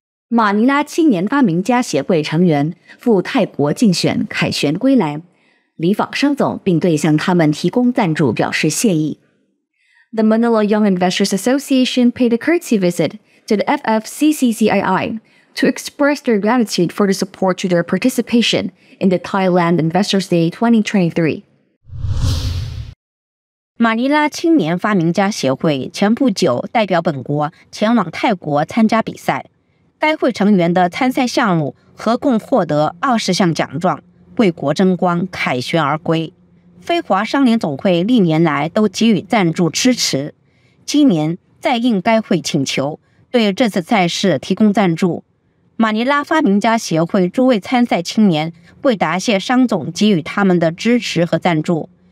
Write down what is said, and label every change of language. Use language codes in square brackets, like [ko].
[zh] 马尼拉青年发明家协会成员赴泰国竞选凯旋归来，李访商总并对向他们提供赞助表示谢意。 [en] The Manila Young Investors Association paid a courtesy visit to the FFCCCII to express their gratitude for the support to their participation in the Thailand Investors Day 2023. [zh] 马尼拉青年发明家协会前不久代表本国前往泰国参加比赛，该会成员的参赛项目合共获得20项奖状，为国争光凯旋而归。飞华商联总会历年来都给予赞助支持，今年再应该会请求对这次赛事提供赞助。马尼拉发明家协会诸位参赛青年为答谢商总给予他们的支持和赞助。